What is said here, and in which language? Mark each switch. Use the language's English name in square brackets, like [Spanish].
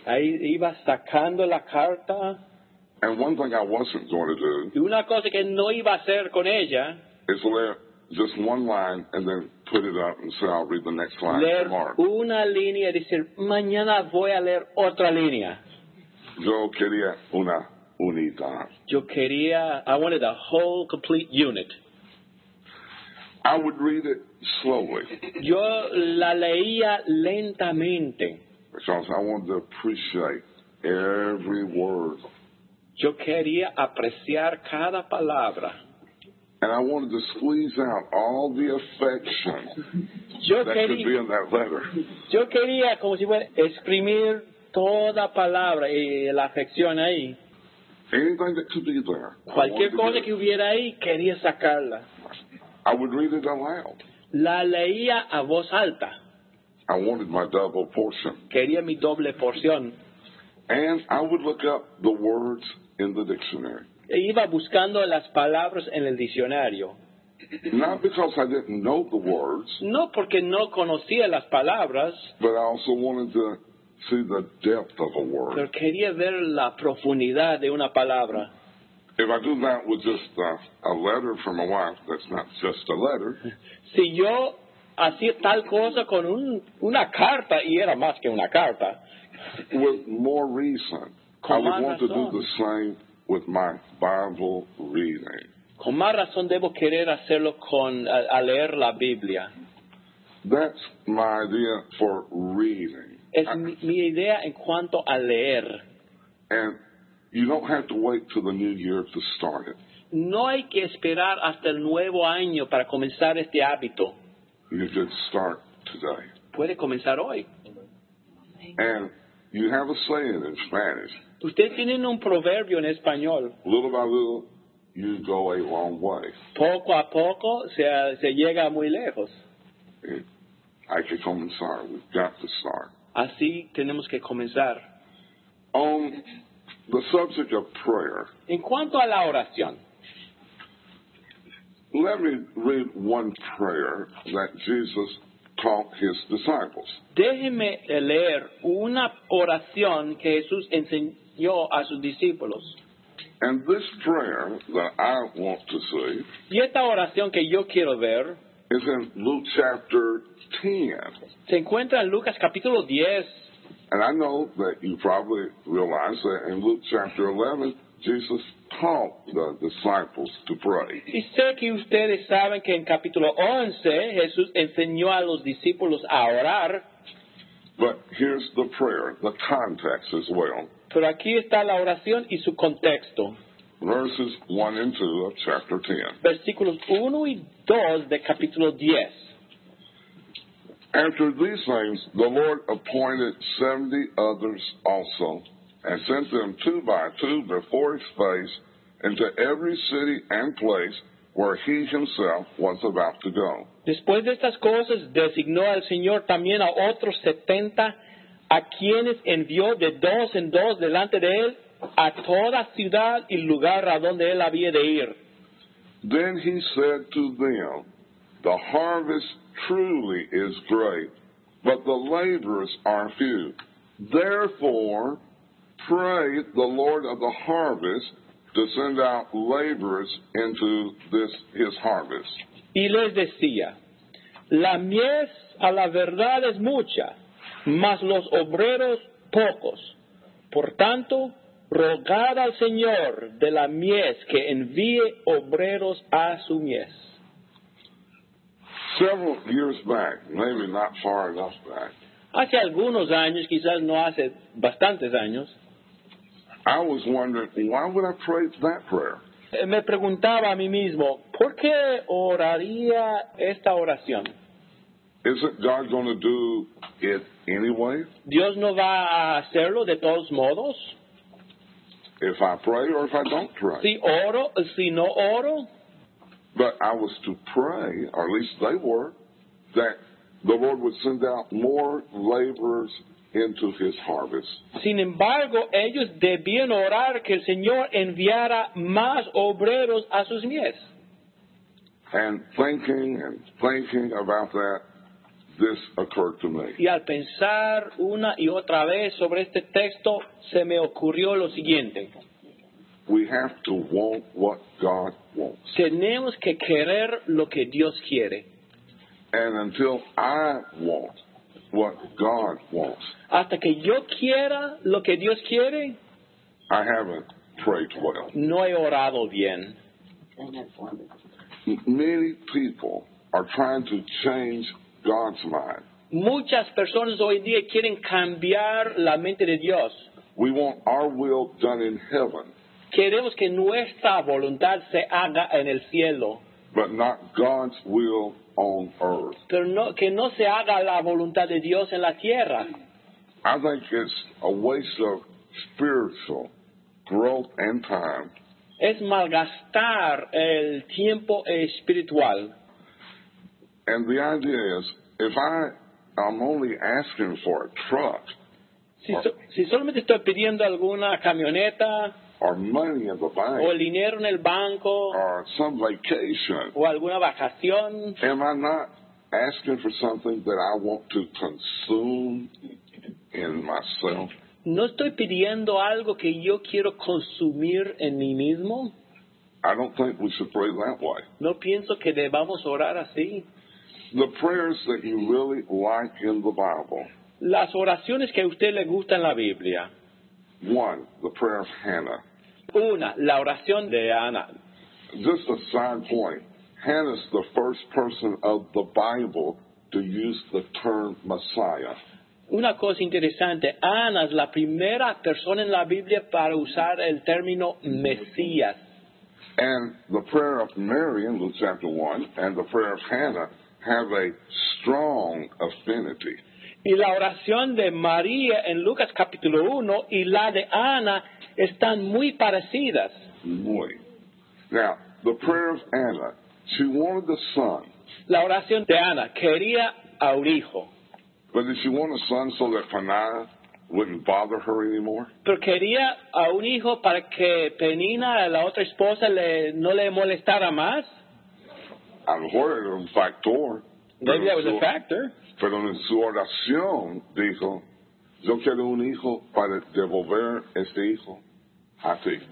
[Spanish] Ahí iba sacando la carta. [English] And one thing I wasn't going to do. [Spanish] Una cosa que no iba a hacer con ella. [English] Is let just one line and then put it up and say, I'll read the next line [Spanish] leer [English] tomorrow. [Spanish] Una línea y decir, mañana voy a leer otra línea. Yo quería una unidad. Yo quería, [English] I wanted a whole complete unit. I would read it slowly. [Spanish] Yo la leía lentamente. [English] Because I wanted to appreciate every word. [Spanish] Yo quería apreciar cada palabra. [English] And I wanted to squeeze out all the affection could be in that letter. [Spanish] Yo quería, como si fuera, exprimir toda palabra y la afección ahí. [English] Anything that could be there. [Spanish] Cualquier cosa que hubiera ahí, quería sacarla. [English] I would read it aloud. [Spanish] La leía a voz alta. [English] I wanted my double portion. [Spanish] Quería mi doble porción. [English] And I would look up the words in the dictionary. [Spanish] E iba buscando las palabras en el diccionario. [English] Not because I didn't know the words. [Spanish] No porque no conocía las palabras. [English] But I also wanted to see the depth of a word. [Spanish] Pero quería ver la profundidad de una palabra. [English] If I do that with just a letter from a wife, that's not just a letter. [Spanish] Si yo hacía tal cosa con una carta, y era más que una carta. [English] With more reason. [Spanish] Con [English] I would want [Spanish] razón. [English] To do the same with my Bible reading. [Spanish] Con más razón debo querer hacerlo con a leer la Biblia. [English] That's my idea for reading. [Spanish] Es mi idea en cuanto a leer. [English] And you don't have to wait till the new year to start it. [Spanish] No hay que esperar hasta el nuevo año para comenzar este hábito. [English] You can start today. [Spanish] Puede comenzar hoy. [English] And you have a saying in Spanish. [Spanish] Usted tiene un proverbio en español. [English] Little by little, you go a long way. [Spanish] Poco a poco, se llega muy lejos. Hay que comenzar. [English] We've got to start. [Spanish] Así tenemos que comenzar. [English] The subject of prayer. [Spanish] En cuanto a la oración. [English] Let me read one prayer that Jesus taught his disciples. [Spanish] Déjeme leer una oración que Jesús enseñó a sus discípulos. [English] And this prayer that I want to see. [Spanish] Y esta oración que yo quiero ver. [English] Is in Luke chapter 10. [Spanish] Se encuentra en Lucas capítulo 10. [English] And I know that you probably realize that in Luke chapter 11, Jesus taught the disciples to pray. [Spanish] Y sé que ustedes saben que en capítulo 11, Jesús enseñó a los discípulos a orar. [English] But here's the prayer, the context as well. [Spanish] Pero aquí está la oración y su contexto. [English] Verses 1 and 2 of chapter 10. [Spanish] Versículos 1 y 2 de capítulo 10. [English] After these things, the Lord appointed 70 others also, and sent them two by two before his face into every city and place where he himself was about to go. [Spanish] Después de estas cosas, designó al Señor también a otros 70, a quienes envió de dos en dos delante de él a toda ciudad y lugar a donde él había de ir. [English] Then he said to them, the harvest truly is great, but the laborers are few. Therefore, pray the Lord of the harvest to send out laborers into this his harvest. [Spanish] Y les decía, la mies a la verdad es mucha, mas los obreros pocos. Por tanto, rogad al Señor de la mies que envíe obreros a su mies. [English] Several years back, maybe not far enough back. [Spanish] Hace algunos años, quizás no hace bastantes años. [English] I was wondering, why would I pray that prayer? [Spanish] Me preguntaba a mí mismo, ¿por qué oraría esta oración? [English] Isn't God going to do it anyway? [Spanish] ¿Dios no va a hacerlo de todos modos? [English] If I pray or if I don't pray. [Spanish] Si oro, si no oro. [English] But I was to pray, or at least they were, that the Lord would send out more laborers into his harvest. [Spanish] Sin embargo, ellos debían orar que el Señor enviara más obreros a sus mies. [English] And thinking about that, this occurred to me. [Spanish] Y al pensar una y otra vez sobre este texto, se me ocurrió lo siguiente. [English] We have to want what God wants. [Spanish] Tenemos que querer lo que Dios quiere. [English] And until I want what God wants, [Spanish] hasta que yo quiera lo que Dios quiere, [English] I haven't prayed well. [Spanish] No he orado bien. [English] Many people are trying to change God's mind. [Spanish] Muchas personas hoy día quieren cambiar la mente de Dios. [English] We want our will done in heaven. [Spanish] Queremos que nuestra voluntad se haga en el cielo. [English] But not God's will on earth. [Spanish] Pero no, que no se haga la voluntad de Dios en la tierra. [English] I think it's a waste of spiritual growth and time. [Spanish] Es malgastar el tiempo espiritual. [English] And the idea is, if I'm only asking for a truck, [Spanish] si solamente estoy pidiendo alguna camioneta, [English] or money in the bank, [Spanish] o el dinero en el banco, [English] or some vacation, [Spanish] o alguna vacación, [English] am I not asking for something that I want to consume in myself? [Spanish] ¿No estoy pidiendo algo que yo quiero consumir en mí mismo? [English] I don't think we should pray that way. [Spanish] No pienso que debamos orar así. [English] The prayers that you really like in the Bible. [Spanish] Las oraciones que a usted le gusta en la Biblia. [English] One, the prayer of Hannah. [Spanish] Una, la oración de Ana. [English] Just a side point. Hannah's the first person of the Bible to use the term Messiah. [Spanish] Una cosa interesante. Ana es la primera persona en la Biblia para usar el término Mesías. [English] And the prayer of Mary in Luke chapter 1 and the prayer of Hannah have a strong affinity. [Spanish] Y la oración de María en Lucas capítulo 1 y la de Ana están muy parecidas. Muy. [English] Now, the prayer of Anna, she wanted a son. [Spanish] La oración de Ana quería a un hijo. [English] But did she want a son so that Peninnah wouldn't bother her anymore? [Spanish] Pero quería a un hijo para que Peninnah, la otra esposa, no le molestara más. A lo mejor era un factor. [English] Maybe that was a factor. [Spanish] Pero en su oración dijo, yo quiero un hijo para devolver este hijo a ti.